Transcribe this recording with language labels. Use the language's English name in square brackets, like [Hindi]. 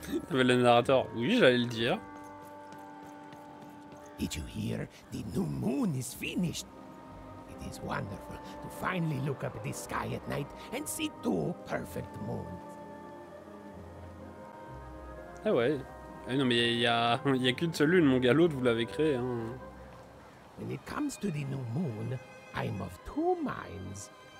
[French] Le narrateur, oui, j'allais le dire. [English] Did you hear? The new moon is finished. It is wonderful to finally look up at the sky at night and see two perfect moons. [French] Ah ouais. Ah non, mais il y a qu'une seule lune, mon gars, l'autre, vous l'avez créé. Hein. [English] When it comes to the new moon, I'm of two minds.